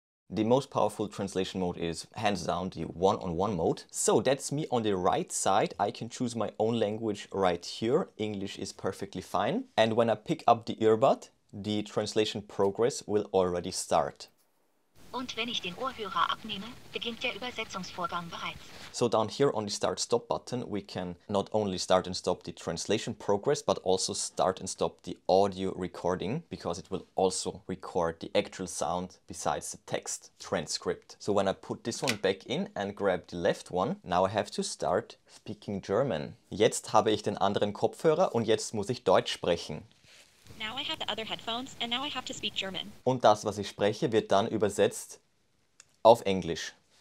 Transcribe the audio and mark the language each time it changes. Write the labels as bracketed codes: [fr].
[en] The most powerful translation mode is hands down the one-on-one mode. So that's me on the right side. I can choose my own language right here. English is perfectly fine. And when I pick up the earbud, the translation progress will already start. [de] Und wenn ich den Ohrhörer abnehme, beginnt der Übersetzungsvorgang bereits. [en] So down here on the start stop button, we can not only start and stop the translation progress, but also start and stop the audio recording, because it will also record the actual sound besides the text transcript. So when I put this one back in and grab the left one, now I have to start speaking German. [de] Jetzt habe ich den anderen Kopfhörer und jetzt muss ich Deutsch sprechen. [en] Now I have the other headphones and now I have to speak German. Und das, was ich spreche, wird dann übersetzt auf Englisch.